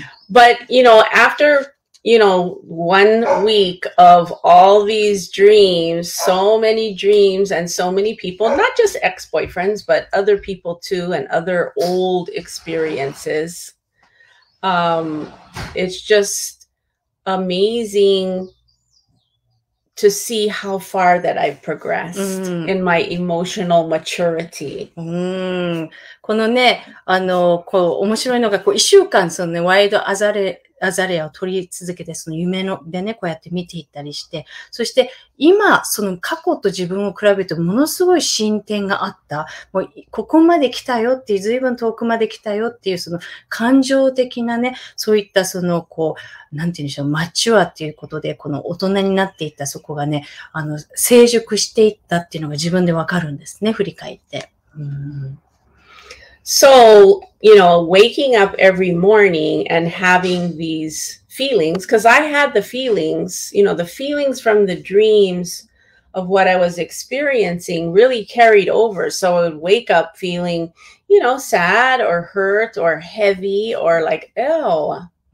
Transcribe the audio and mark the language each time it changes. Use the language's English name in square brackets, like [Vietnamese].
[English] But, you know, after, you know, 1 week of all these dreams, so many dreams and so many people, not just ex-boyfriends, but other people too and other old experiences. It's just amazing to see how far that I've progressed in my emotional maturity. [Japanese] このね、あの、こう、面白いのが、こう、一週間、そのね、ワイドアザレ、アザレアを取り続けて、その夢のでね、こうやって見ていったりして、そして今、その過去と自分を比べて、ものすごい進展があった。もう、ここまで来たよっていう、随分遠くまで来たよっていう、その感情的なね、そういったその、こう、なんて言うんでしょう、マチュアっていうことで、この大人になっていったそこがね、あの、成熟していったっていうのが自分でわかるんですね、振り返って。 [English] So, you know, waking up every morning and having these feelings, because I had the feelings, you know, the feelings from the dreams of what I was experiencing really carried over. So I would wake up feeling, you know, sad or hurt or heavy or like, ew.